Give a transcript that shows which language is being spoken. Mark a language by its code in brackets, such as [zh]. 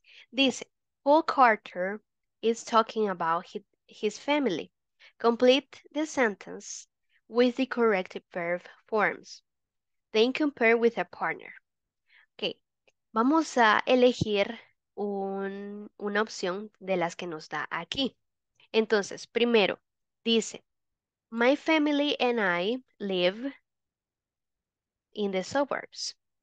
[es] Dice, [en] Paul Carter is talking about his family. Complete the sentence with the correct verb forms. Then compare with a partner. [es] Okay, vamos a elegir una opción de las que nos da aquí. Entonces, primero, dice, [en] My family and I live in the suburbs.